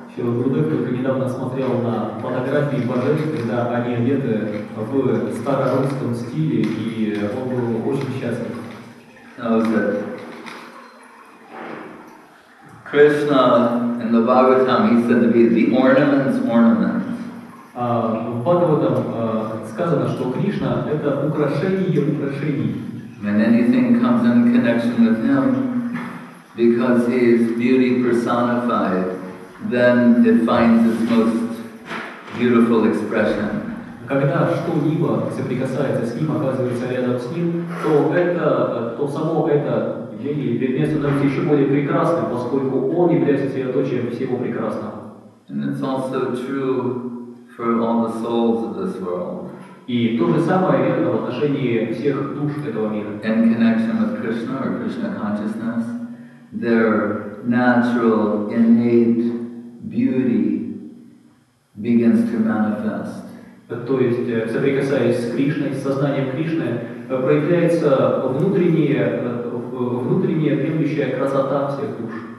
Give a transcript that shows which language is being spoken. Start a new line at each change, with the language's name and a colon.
Romanian: Și Gurudev, când a
Russian: посмотрел на фотографии Бадави, когда они одеты в старорусском стиле, и он был очень счастлив.
English: That was it. Krishna in the Bhagavatam, he said to be the ornament's ornament.
Russian: В Бхагаватам сказано, что Кришна — это украшение украшений.
English: When anything comes in connection with him, because he is beauty personified, then it finds its most beautiful expression.
Russian: Когда что-либо соприкасается с ним, оказывается рядом с ним, то это, то само это явление становится еще более прекрасным, поскольку он является средоточием всего прекрасного.
English: And it's also true for all the souls of this world.
Russian: И то же самое верно в отношении всех душ этого мира.
English: In connection with Krishna or Krishna consciousness, their natural, innate beauty begins to manifest.
Russian: То есть, соприкасаясь с Кришной, с сознанием Кришны, проявляется внутренняя примущая красота всех душ.